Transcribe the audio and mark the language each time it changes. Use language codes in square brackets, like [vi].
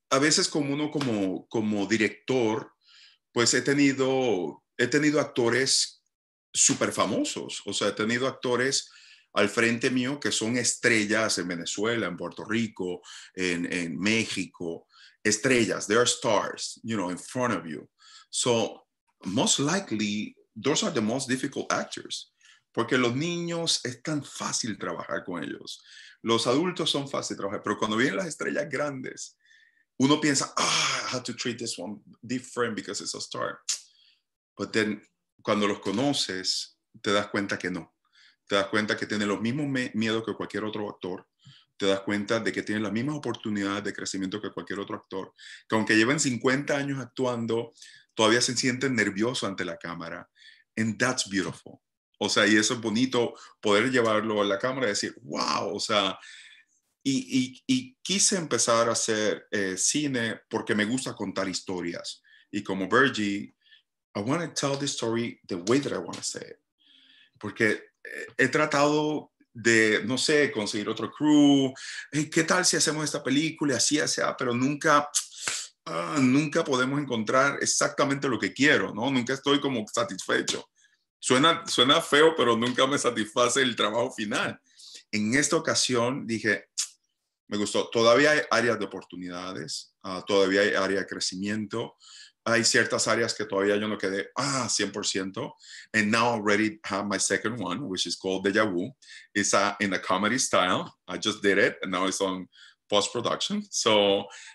[es] A veces como uno como director, pues he tenido actores super famosos. O sea, he tenido actores al frente mío que son estrellas en Venezuela, en Puerto Rico, en México. [en] Estrellas, they are stars, you know, in front of you. So most likely, those are the most difficult actors. [es] Porque los niños es tan fácil trabajar con ellos. Los adultos son fácil trabajar. Pero cuando vienen las estrellas grandes, uno piensa, [en] I have to treat this one different because it's a star. But then, [es] cuando los conoces, te das cuenta que no. Te das cuenta que tiene los mismos miedos que cualquier otro actor. Te das cuenta de que tiene las mismas oportunidades de crecimiento que cualquier otro actor. Que aunque lleven 50 años actuando, todavía se sienten nerviosos ante la cámara. [en] And that's beautiful. [es] O sea, y eso es bonito poder llevarlo a la cámara y decir, wow, o sea, y quise empezar a hacer cine porque me gusta contar historias. Y como [en] Vergi, I want to tell the story the way that I want to say it. [es] Porque he tratado de, no sé, conseguir otro crew. Hey, ¿qué tal si hacemos esta película? Así, así, pero nunca... nunca podemos encontrar exactamente lo que quiero, ¿no? Nunca estoy como satisfecho. Suena feo, pero nunca me satisface el trabajo final. En esta ocasión dije, me gustó. Todavía hay áreas de oportunidades, todavía hay área de crecimiento. Hay ciertas áreas que todavía yo no quedé 100%. [en] And now I already have my second one, which is called Deja Vu. It's in a comedy style. I just did it, and now it's on post-production. So